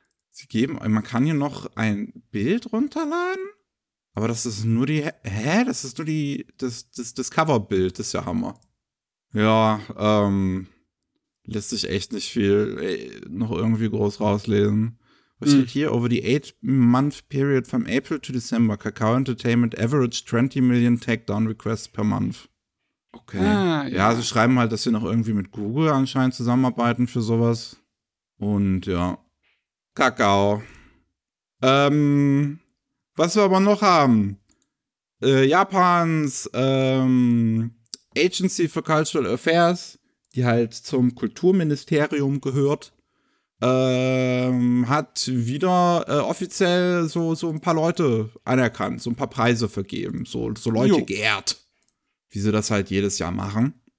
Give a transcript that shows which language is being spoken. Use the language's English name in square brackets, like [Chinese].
[German] Sie geben, man kann hier noch ein Bild runterladen. Aber das ist nur die. Hä? Das ist nur die. Das Coverbild, das ist ja Hammer. Ja, lässt sich echt nicht viel noch irgendwie groß rauslesen. Was steht hier? [English] Over the 8-month period from April to December, Kakao Entertainment averaged 20 million takedown requests per month. Okay. [German] Ja, sie schreiben halt, dass sie noch irgendwie mit Google anscheinend zusammenarbeiten für sowas. Und ja. Kakao. Was wir aber noch haben, Japans Agency for Cultural Affairs, die halt zum Kulturministerium gehört, hat wieder offiziell so ein paar Leute anerkannt, so ein paar Preise vergeben, so Leute geehrt, wie sie das halt jedes Jahr machen.